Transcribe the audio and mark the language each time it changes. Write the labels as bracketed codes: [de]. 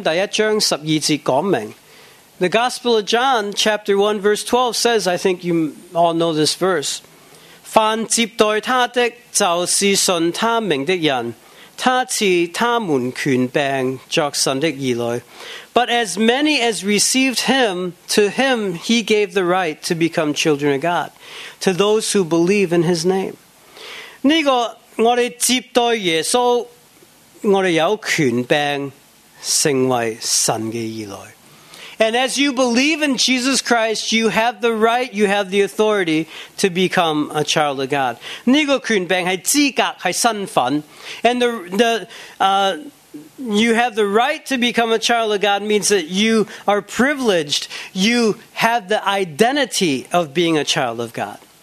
[zh] 约翰福音第一章十二节讲明, [en] the Gospel of John, chapter 1, verse 12, says, I think you all know this verse, [zh] 凡接待他的就是信他名的人, 他赐他们权柄作神的儿女, [en] but as many as received him, to him he gave the right to become children of God, to those who believe in his name. [zh] 这个我们接待耶稣，我们有权柄成为神的儿女。 [en] And as you believe in Jesus Christ, you have the right, you have the authority to become a child of God. [zh] 这个权柄是资格，是身份。 [en] And you have the right to become a child of God means that you are privileged. You have the identity of being a child of God.